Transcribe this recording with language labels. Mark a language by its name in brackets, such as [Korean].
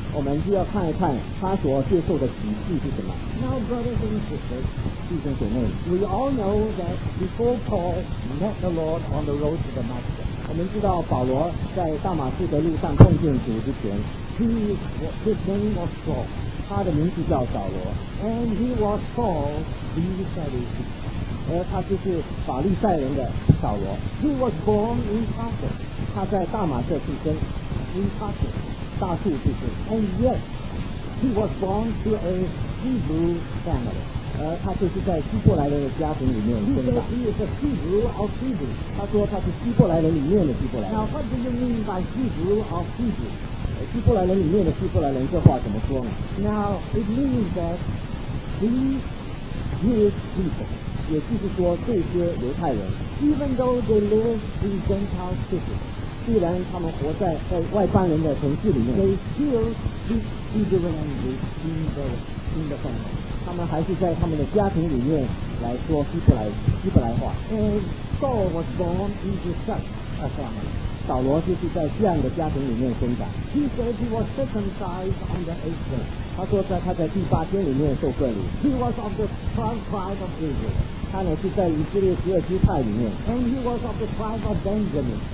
[Chinese] 我们就要看一看他所接受的启示是什么。 [English] Now, brothers and sisters. We all know that before Paul met the Lord on the road to Damascus, [Chinese] 我们知道保罗在大马士革路上碰见主之前 [English] his name was Saul. [Chinese] 他的名字叫保罗 [English] and he was Saul the Pharisee. [Chinese] 而他就是法利赛人的保罗 [English] He was born in Tarsus. [Chinese] 他在大马士革出生 [English] in Tarsus, [Chinese] 大树出生 [English] and yet he was born to a Hebrew family. [Chinese] 而他就是在希伯来人的家庭里面生 [English] 的。He is a Hebrew of Hebrews. [Chinese] 他说他是希伯来人里面的希伯来人。 [English] Now what do you mean by Hebrew of Hebrews? [Chinese] 希伯来人里面的希伯来人这话怎么说呢 [English] ？Now it means that these Jewish people, [Chinese] 也就是说这些犹太人 [English] ，even though they live in Gentile cities, [Chinese] 虽然他们活在外邦人的城市里面 [English] ，they still speak Hebrew language in the family. [Chinese] 他们还是在他们的家庭里面来说希伯来话。 [English] And Saul was born into such a family. [Chinese] 扫罗就是在这样的家庭里面生长。 [English] He said he was circumcised on the eighth day. [Chinese] 他说在他在第八天里面受割礼。 [English] He was of the 12 tribe of Israel. [Chinese] 他乃是在以色列十二支派里面。 [English] And he was of the tribe of Benjamin.